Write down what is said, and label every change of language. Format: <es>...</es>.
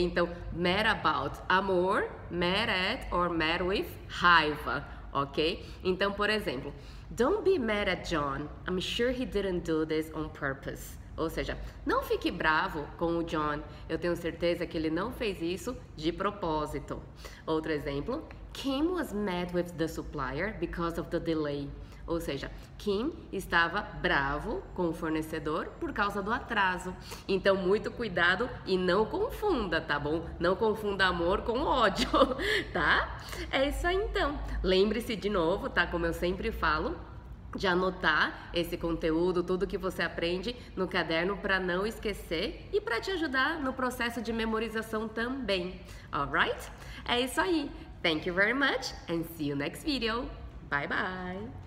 <en>Então, mad about amor, mad at or mad with raiva, ok?</en> <pt>Então, por exemplo,</pt> <en>don't be mad at John, I'm sure he didn't do this on purpose.</en> <pt>Ou seja, não fique bravo com o John. Eu tenho certeza que ele não fez isso de propósito. Outro exemplo:</pt> <en>Kim was mad with the supplier because of the delay.</en> <pt>Ou seja, Kim estava bravo com o fornecedor por causa do atraso. Então, muito cuidado e não confunda, tá bom? Não confunda amor com ódio, tá? É isso aí então. Lembre-se de novo, tá? Como eu sempre falo, de anotar esse conteúdo, tudo que você aprende no caderno para não esquecer e para te ajudar no processo de memorização também.</pt> <en>Alright?</en> <pt>É isso aí.</pt> <en>Thank you very much and see you next video. Bye bye!</en>